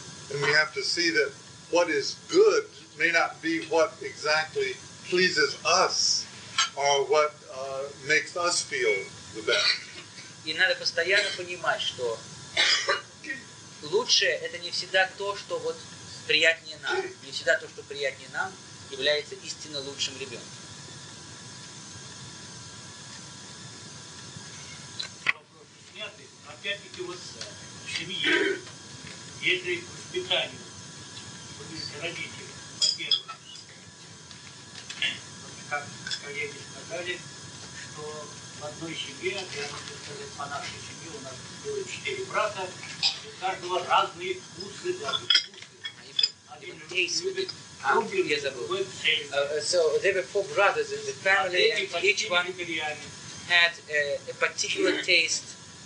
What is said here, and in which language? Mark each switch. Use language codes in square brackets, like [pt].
[en] And we have to see that what is good may not be what exactly pleases us or what makes us feel the best. [ru] И надо постоянно понимать, что лучшее это не всегда то, что вот приятнее нам. Не всегда то, что приятнее нам, является истинно лучшим ребенком. Вопрос снятый. Опять-таки вот в семье, если воспитание родителей, во-первых, как коллеги сказали, что в одной семье, я могу сказать, по нашей семье у нас было 4 брата, у каждого разные вкусы, даже [en] So there were 4 brothers in the family, and each one had a particular taste.